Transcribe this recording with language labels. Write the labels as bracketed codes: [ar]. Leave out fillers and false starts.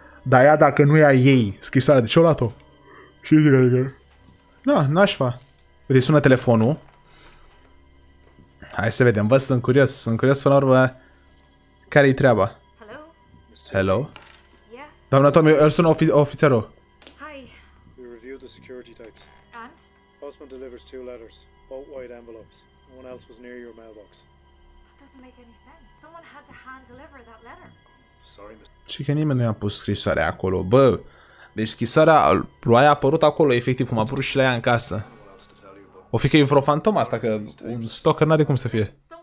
[ro] Dar ea dacă nu e a ei scrisoarea, de ce i-a luat-o? Și zic, adică... Da, nașpa. Uite, sună telefonul. Hai să vedem. Bă, sunt curios. Sunt curios până la urmă. Care-i treaba? [en] Hello? Yeah. [ro] Doamna Tommy, îl sună ofițerul. [en] Hi. We reviewed the security types. And? Postman delivers two letters. Both white envelopes. No one else was near your mailbox. That doesn't make any sense. Someone had to hand deliver that letter. Sorry, miss. [ro] Și că nimeni nu i-a pus scrisoarea acolo. Bă... Deci scrisoarea lui a apărut acolo, efectiv, cum a apărut și la ea în casă. O fi că e vreo fantomă asta, că un stalker n-are cum să fie.